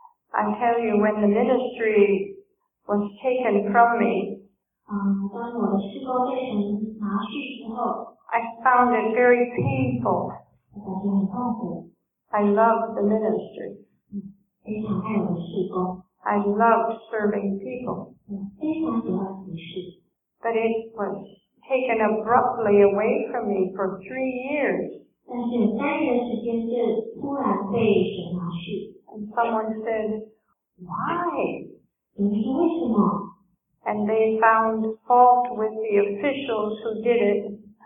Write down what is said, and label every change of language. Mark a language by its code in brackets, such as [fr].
[en] I tell you, when the ministry was taken from me, [zh] 当我的事工被神拿去之后, [en] I found it very painful. [zh] 我感觉很痛苦。 [en] I loved the ministry. [zh] 非常爱我的事工。 [en] I loved serving people. [zh] 非常喜欢服侍。 [en] But it was taken abruptly away from me for 3 years. [zh] 但是有三年的时间是突然被神拿去。 [en] And someone said, why? [zh] 你为什么? [en] And they found fault with the officials who did it.